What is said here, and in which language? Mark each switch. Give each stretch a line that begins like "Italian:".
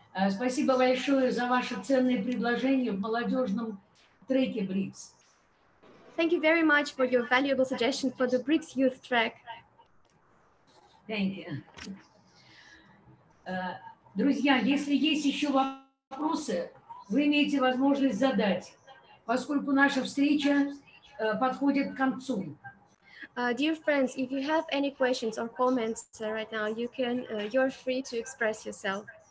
Russian: Спасибо большое за ваше ценное предложение в молодежном треке BRICS.
English: Thank you very much for your valuable suggestion for the BRICS Youth Track. Thank you.
Russian: Друзья, если есть еще вопросы, вы имеете возможность задать, поскольку наша встреча подходит к концу.
English: Dear friends, if you have any questions or comments right now, you can, you're free to express yourself.